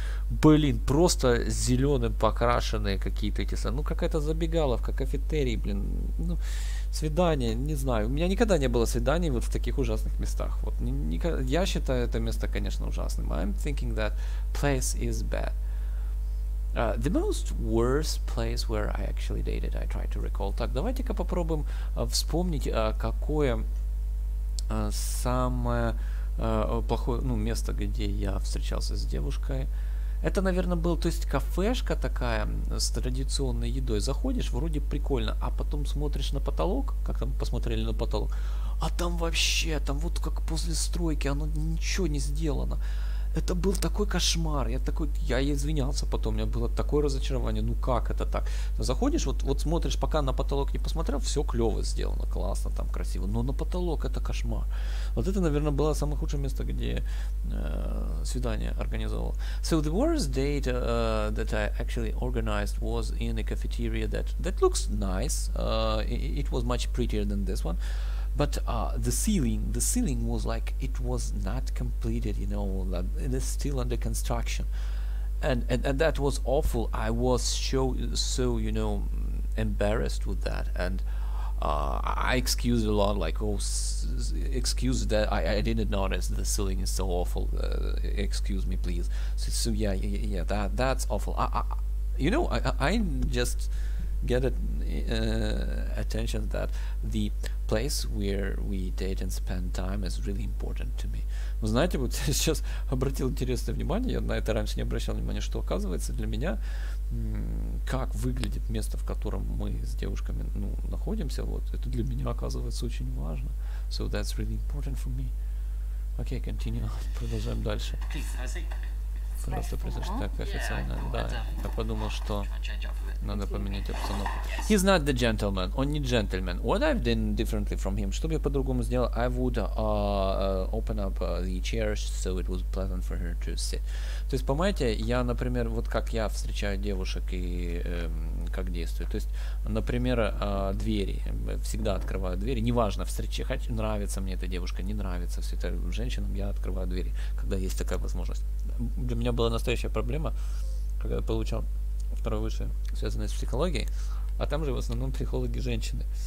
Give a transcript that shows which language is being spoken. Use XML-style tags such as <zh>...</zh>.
<ru>Блин, просто зеленым покрашенные какие-то эти самые. Ну, какая-то забегаловка, кафетерий, блин. Ну, свидание, не знаю. У меня никогда не было свиданий вот в таких ужасных местах. Вот, я считаю это место, конечно, ужасным.</ru> <en>I'm thinking that place is bad. The most worst place where I actually dated, I try to recall.</en> <ru>Так, давайте-ка попробуем вспомнить, какое самое плохое, ну, место, где я встречался с девушкой. Это, наверное, был, то есть, кафешка такая с традиционной едой. Заходишь, вроде прикольно, а потом смотришь на потолок, как там посмотрели на потолок, а там вообще, там вот как после стройки, оно ничего не сделано. Это был такой кошмар, я извинялся потом, у меня было такое разочарование, ну как это так? Заходишь, вот смотришь, пока на потолок не посмотрел, все клево сделано, классно, там красиво, но на потолок это кошмар. Вот это, наверное, было самое худшее место, где свидание организовал.</ru> <en>So the worst date that I actually organized was in a cafeteria that looks nice, it was much prettier than this one. But the ceiling was like it was not completed, you know, that it is still under construction, and that was awful. I was so you know embarrassed with that, and I excused a lot, like excuse that I didn't notice the ceiling is so awful. Excuse me, please. So yeah, that's awful. I just get it attention that the place where we date and spend time is really important to me.</en> <ru>Вы знаете, вот я сейчас обратил интересное внимание, я на это раньше не обращал внимания, что оказывается для меня, как выглядит место, в котором мы с девушками ну, находимся, вот это для меня оказывается очень важно.</ru> <en>So that's really important for me. Okay, continue.</en> <ru>Продолжаем дальше. Просто произошло так официально,</ru> <en>yeah,</en> <ru>да. Я подумал, что надо поменять обстановку.</ru> <en>He's not the gentleman.</en> <ru>Он не джентльмен.</ru> <en>What I've done differently from him?</en> <ru>Что бы я по-другому сделал?</ru> <en>I would open up the chairs so it was pleasant for her to sit.</en> <ru>То есть, понимаете, я, например, вот как я встречаю девушек и как действую. То есть, например, двери. Всегда открываю двери. Неважно, встречать, нравится мне эта девушка, не нравится. Все это женщинам я открываю двери, когда есть такая возможность. У меня была настоящая проблема, когда я получал второе высшее, связанное с психологией, а там же в основном психологи женщины.</ru>